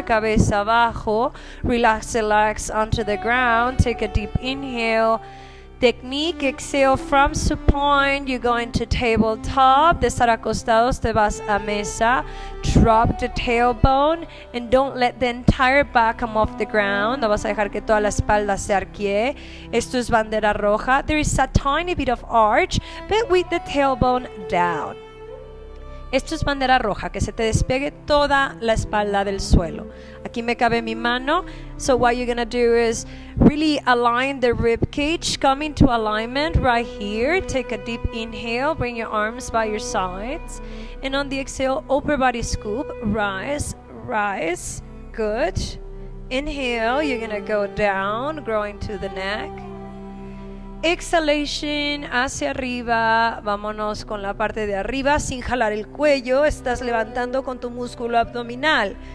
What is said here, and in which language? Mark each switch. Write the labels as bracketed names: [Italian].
[Spanish] Cabeza abajo. [English] Relax the legs onto the ground. Take a deep inhale. Technique. Exhale from supine. You go into tabletop. [Spanish] De estar acostados, te vas a mesa. [English] Drop the tailbone. And don't let the entire back come off the ground. [Spanish] No vas a dejar que toda la espalda se arquee. Esto es bandera roja. [English] There is a tiny bit of arch, but with the tailbone down. [Spanish] Esto es bandera roja, que se te despegue toda la espalda del suelo. Aquí me cabe mi mano. [English] So what you're going to do is really align the rib cage, come into alignment right here. Take a deep inhale, bring your arms by your sides. And on the exhale, upper body scoop, rise, rise. Good. Inhale, you're going to go down, growing to the neck. [Spanish] Exhalation, hacia arriba, vámonos con la parte de arriba, sin jalar el cuello, estás levantando con tu músculo abdominal.